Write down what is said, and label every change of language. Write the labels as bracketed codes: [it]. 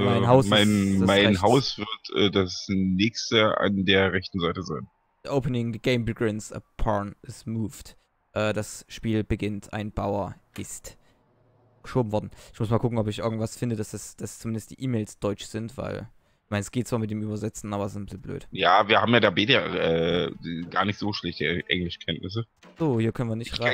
[de] Haus wird das nächste an der rechten Seite sein. [en] Opening, the game begins, a pawn is moved. [de] Das Spiel beginnt, ein Bauer ist geschoben worden. Ich muss mal gucken, ob ich irgendwas finde, dass zumindest die E-Mails deutsch sind, weil ich meine, es geht zwar mit dem Übersetzen, aber es ist ein bisschen blöd. Ja, wir haben ja da BDR gar nicht so schlechte Englischkenntnisse. So, hier können wir nicht rein.